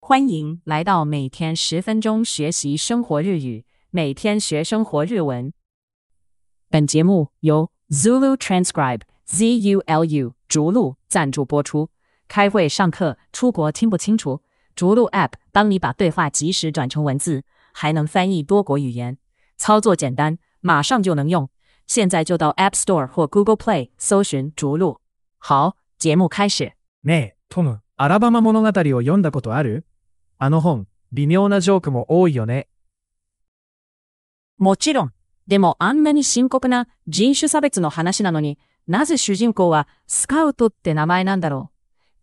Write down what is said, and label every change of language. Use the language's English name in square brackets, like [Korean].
[Chinese] 欢迎来到每天十分钟学习生活日语，每天学生活日文。本节目由 Zulu Transcribe ZULU 逐鹿赞助播出。开会、上课、出国听不清楚，逐鹿 App 帮你把对话及时转成文字，还能翻译多国语言，操作简单，马上就能用。现在就到 App Store 或 Google Play 搜寻逐鹿。好，节目开始。 [Japanese] ねえ、トム。アラバマ物語を読んだことある？あの本、微妙なジョークも多いよね。もちろん。でもあんなに深刻な人種差別の話なのに、なぜ主人公はスカウトって名前なんだろう。